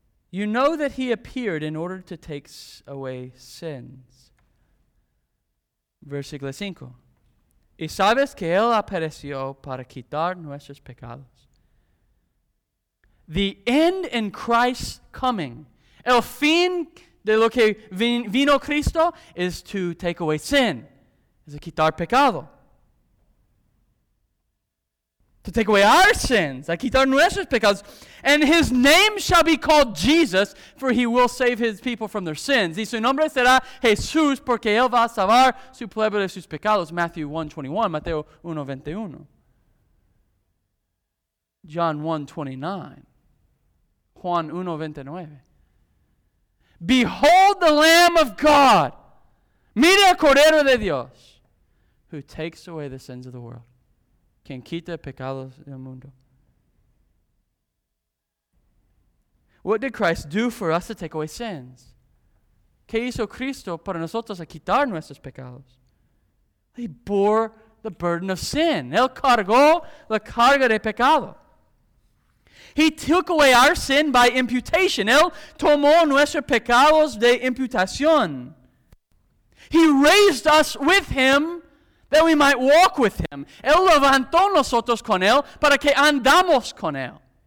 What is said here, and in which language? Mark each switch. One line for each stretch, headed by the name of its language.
English: You know that He appeared in order to take away sins.
Spanish: Versículo 5. Y sabes que Él apareció para quitar nuestros pecados.
English: The end in Christ's coming.
Spanish: El fin de lo que vino Cristo
English: is to take away sin.
Spanish: Es quitar pecado.
English: To take away our sins.
Spanish: A quitar nuestros pecados.
English: And His name shall be called Jesus, for He will save His people from their sins.
Spanish: Y su nombre será Jesús, porque Él va a salvar su pueblo de sus pecados. Mateo 1:21.
English: John 1:29.
Spanish: Juan 1:29.
English: Behold the Lamb of God.
Spanish: Mira el Cordero de Dios.
English: Who takes away the sins of the world.
Spanish: Quien quita pecados del mundo.
English: What did Christ do for us to take away sins? ¿Qué hizo Cristo para nosotros a quitar nuestros pecados? He bore the burden of sin.
Spanish: Él cargó la carga de pecado.
English: He took away our sin by imputation.
Spanish: Él tomó nuestros pecados de imputación.
English: He raised us with Him that we might walk with Him.
Spanish: Él levantó nosotros con Él para que andamos con Él.